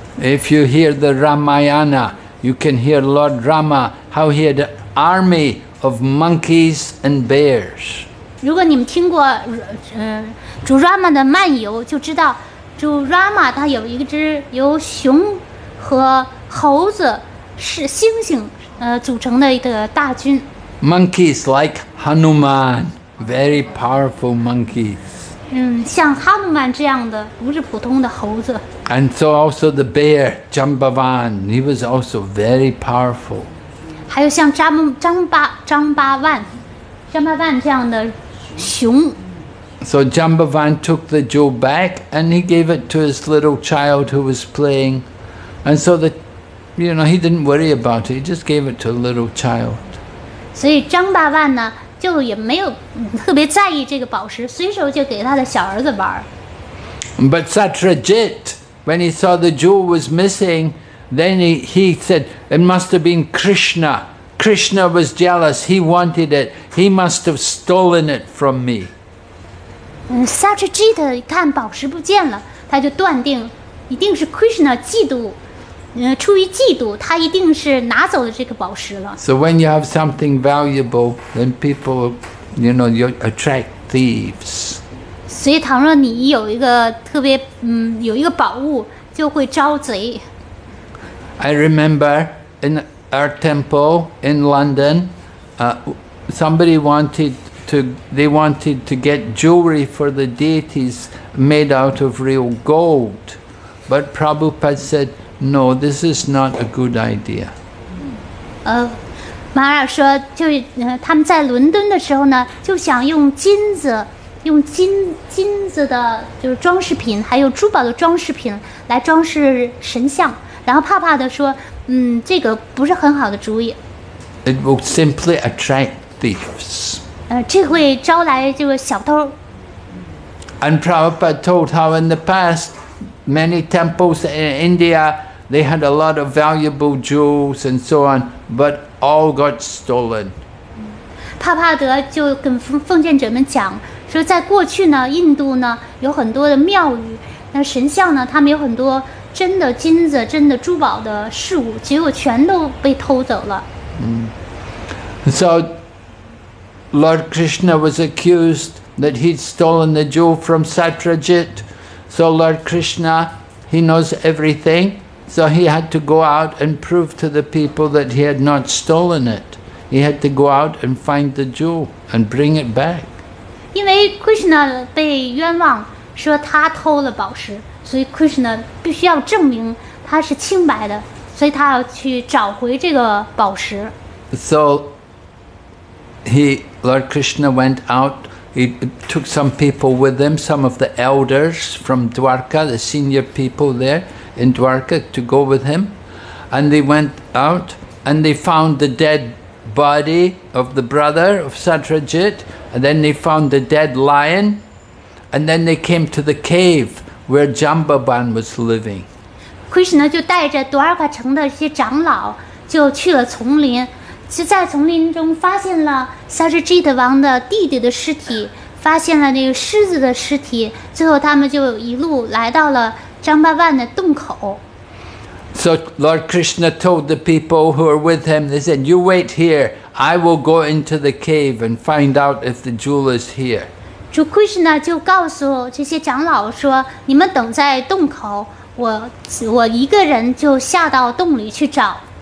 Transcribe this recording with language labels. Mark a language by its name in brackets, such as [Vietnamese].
[English] If you hear the Ramayana,You can hear Lord Rama, how he had an army of monkeys and bears. [Chinese] 如果你们听过主 Rama 的漫游，就知道主 Rama 他有一只由熊和猴子是猩猩组成的一个大军。 [English] Monkeys like Hanuman, very powerful monkeys. [Chinese] 像哈努曼这样的不是普通的猴子。 [English] And so also the bear, Jambavan, he was also very powerful. [Chinese] 还有像张巴万这样的熊。 [English] So Jambavan took the jewel back and he gave it to his little child who was playing. And so he didn't worry about it, he just gave it to a little child. [Chinese] 所以张巴万呢就也没有特别在意这个宝石，随手就给他的小儿子玩。 [English] But Satrajit, when he saw the jewel was missing, then he said, it must have been Krishna. Krishna was jealous. He wanted it. He must have stolen it from me. [Chinese] Satrajit 看宝石不见了，他就断定一定是 Krishna 嫉妒，出于嫉妒，他一定是拿走了这个宝石了。 [English] So when you have something valuable, then people, you know, you attract thieves. [Chinese] 所以倘若你有一个特别，有一个宝物，就会招贼。 [English] I remember in our temple in London, somebody wanted to get jewelry for the deities made out of real gold. But Prabhupada said, no, this is not a good idea. [Chinese] Mara 说就他们在伦敦的时候呢，就想用金子，用金子的就是装饰品，还有珠宝的装饰品来装饰神像。然后怕怕的说，这个不是很好的主意。 [English] It will simply attract thieves. [Chinese] 这会招来这个小偷。 [English] And Prabhupada told how in the past,Many temples in India, they had a lot of valuable jewels and so on, but all got stolen. [Chinese] 帕帕德就跟奉献者们讲，说在过去呢，印度呢有很多的庙宇，那神像呢，他们有很多真的金子、真的珠宝的事物，结果全都被偷走了。 [English] So, Lord Krishna was accused that he'd stolen the jewel from Satrajit. So Lord Krishna, he knows everything. So he had to go out and prove to the people that he had not stolen it. He had to go out and find the jewel and bring it back. [Chinese] 因为 Krishna 被冤枉，说他偷了宝石，所以 Krishna 必须要证明他是清白的，所以他要去找回这个宝石。 [English] So Lord Krishna went out. He took some people with him, some of the elders from Dwarka, the senior people there in Dwarka, to go with him. And they went out and they found the dead body of the brother of Satrajit. And then they found the dead lion. And then they came to the cave where Jambaban was living. [Chinese] Krishna 就带着 Dwarka 城的一些长老就去了丛林。就在丛林中发现了 Satrajit 王的弟弟的尸体，发现了那个狮子的尸体，最后他们就一路来到了张巴万的洞口。 [English] So Lord Krishna told the people who were with him, they said, you wait here, I will go into the cave and find out if the jewel is here. [Chinese] 主 Krishna 就告诉这些长老说，你们等在洞口，我一个人就下到洞里去找。